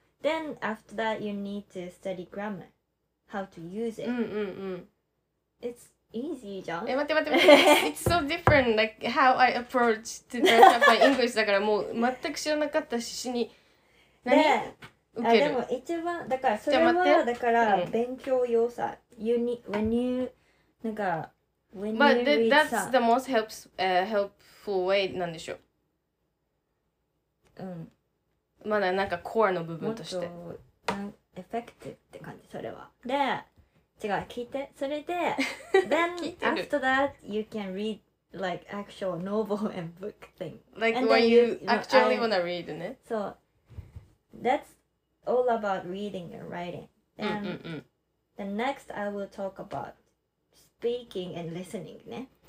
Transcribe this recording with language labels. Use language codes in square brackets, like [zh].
[en] Then after that, you need to study grammar. How to use it. It's easy, [ja] じゃん。え、待って。 [en] It's so different, like how I approach to brush up my English. [ja] だからもう全く知らなかったし、死に。何あでも一番だからそれはだから勉強要素、 [en] you need when you [ja] なんか when [en] you read some but that's the most helps helpful way [ja] なんでしょう。うん。まだなんかコアの部分として。もっとなんエフェクティブって感じ、それは。で、違う、聞いて。それで、 [en] then after that, you can read like actual novel and book thing. Like when you actually wanna read, [ja] ね。 [en] So, that's all about reading and writing. And the next, I will talk about speaking and listening, [ja] ね。